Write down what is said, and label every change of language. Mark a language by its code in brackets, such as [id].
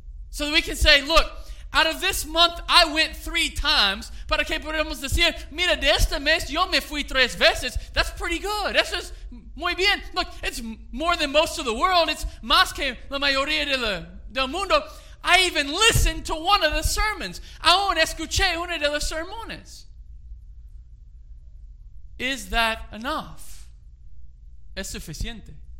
[en] So that we can say, look, out of this month I went 3 times. [es] Para que podamos decir, mira, de este mes yo me fui 3 veces. [en] That's pretty good. [es] Eso es muy bien. [en] Look, it's more than most of the world. It's [es] más que la mayoría del mundo. [en] I even listened to one of the sermons. [es] Aún escuché una de las sermones. [en] Is that enough? [es] ¿Es suficiente?